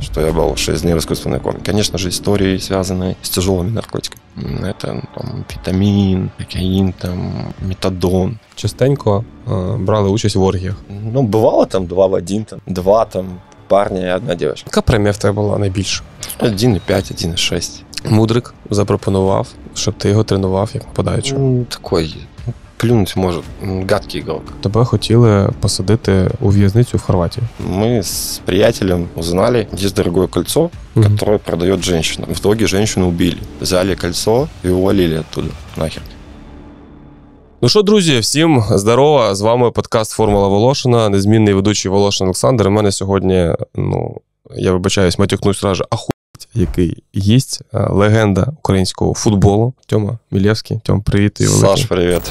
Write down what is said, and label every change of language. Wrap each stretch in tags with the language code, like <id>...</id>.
<ru>Что я был 6 дней в искусственной коме. Конечно же, истории, связанные с тяжелыми наркотиками. Это там амфетамин, кокаин, там метадон. Частенько брали участь в оргиях? Ну, бывало там два в один, там два там парня и одна девочка.</ru> <uk>Какая премія в тебе була найбільша? 1,5, 1,6. Мудрик запропонував, щоб ти його тренував як нападаючого.</uk> <ru>Такой плюнуть може, гадкий игрок.</ru> <uk>Тебе хотіли посадити у в'язницю в Хорватії. Ми з приятелем</uk> <ru>узнали, є дорогое кольцо, которое продает женщина. В итоге женщину убили. Взяли кольцо и увалили оттуда. Нахер.</ru> <uk>Ну що, друзі, всім здорово. З вами подкаст «Формула Волошина», незмінний ведучий Волошин Олександр. У мене сьогодні, ну, я вибачаюсь, матюкнусь сразу, охуєть, який єсть легенда українського футболу. Тьома Мілєвський. Тьом, привіт. Саш, привіт.</uk>